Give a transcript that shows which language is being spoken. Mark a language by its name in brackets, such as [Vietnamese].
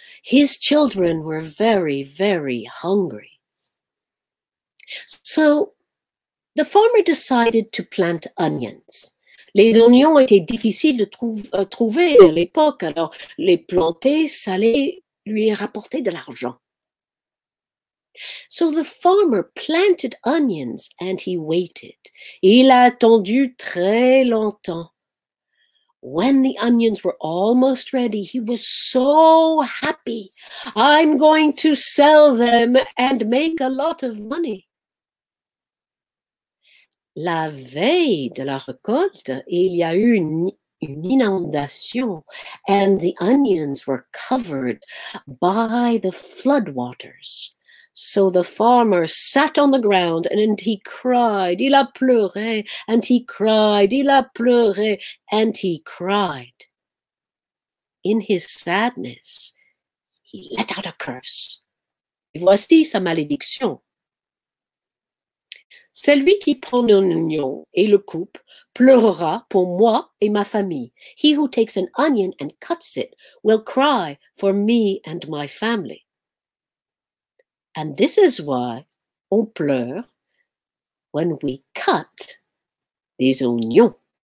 [English] His children were very, very hungry. So the farmer decided to plant onions. [French] Les oignons étaient difficiles de trouver à l'époque, alors les planter, ça allait lui rapporter de l'argent. [English] So the farmer planted onions and he waited. [French] Il a attendu très longtemps. [English] When the onions were almost ready, he was so happy. I'm going to sell them and make a lot of money. [French] la veille de la récolte, il y a eu une inondation, [English] and the onions were covered by the floodwaters. So the farmer sat on the ground and he cried, [French] il a pleuré, [English] and he cried, il a pleuré, and he cried. In his sadness, he let out a curse. [French] Et voici sa malédiction. Celui qui prend un oignon et le coupe pleurera pour moi et ma famille. [English] He who takes an onion and cuts it will cry for me and my family. And this is why [French] on pleure [English] when we cut [French] des oignons.